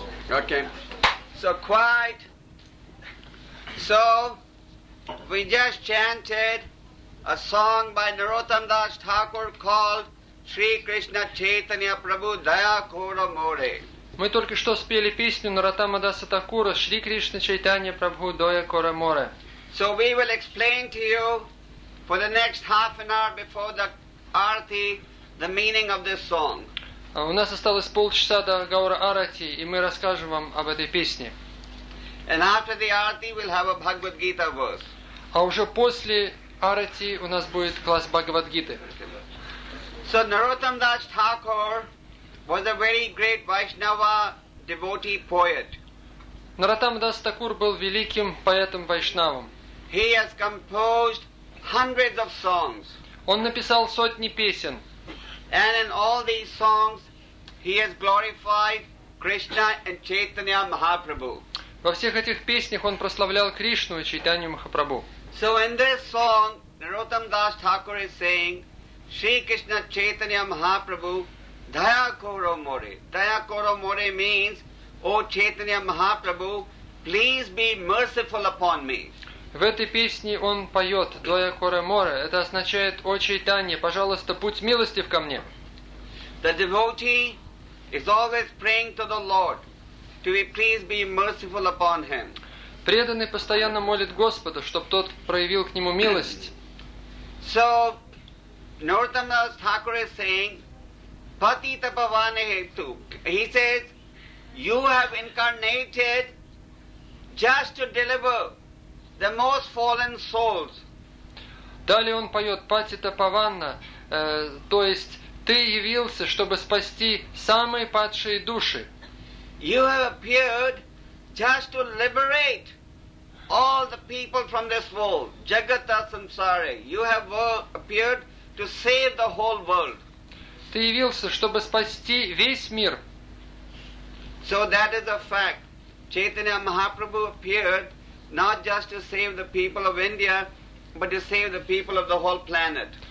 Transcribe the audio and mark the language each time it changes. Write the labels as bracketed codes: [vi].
[en] Okay. So quiet. So we just chanted a song by Narottam Das Thakur called Shri Krishna Chaitanya Prabhu Daya Kora More. [ru] Мы только что спели песню Наратама Даса Такура Шри Кришна Чайтанья Прабху Дая Кора Море. [en] So we will explain to you for the next half an hour before the arati the meaning of this song. [ru] У нас осталось полчаса до Гаура Арати, и мы расскажем вам об этой песне. [en] And after the arati we'll have a Bhagavad Gita verse. [ru] А уже после Арати у нас будет класс Бхагавадгиты. [en] So Narottam Das Thakur was a very great Vaishnava devotee poet. [ru] Narottam Das Thakur был великим поэтом вайшнавом. [en] He has composed hundreds of songs. [ru] Он написал сотни песен. [en] And in all these songs he has glorified Krishna and Chaitanya Mahaprabhu. [ru] Во всех этих песнях он прославлял Кришну и Чайтанью Махапрабху. [en] So in this song, Narottam Das Thakur is saying, Shri Krishna Chaitanya Mahaprabhu, Daya Koro More. Daya Koro More means, O Chaitanya Mahaprabhu, please be merciful upon me. [ru] В этой песне он поет Daya Koro More. Это означает, О Чайтанья, пожалуйста, будь милостив ко мне. [en] The devotee is always praying to the Lord to be please be merciful upon him. [ru] Преданный постоянно молит Господа, чтобы тот проявил к нему милость. [en] So, Narottam Das Thakur is saying, Patita Bhavane Hetu. He says, you have incarnated just to deliver the most fallen souls. [ru] Далее он поет, Патита Павана, то есть, ты явился, чтобы спасти самые падшие души. [en] You have appeared just to liberate all the people from this world, jagata samsare. You have appeared to save the whole world. [ru] Ты явился, чтобы спасти весь мир. [en] So that is a fact. Chaitanya Mahaprabhu appeared not just to save the people of India, but to save the people of the whole planet.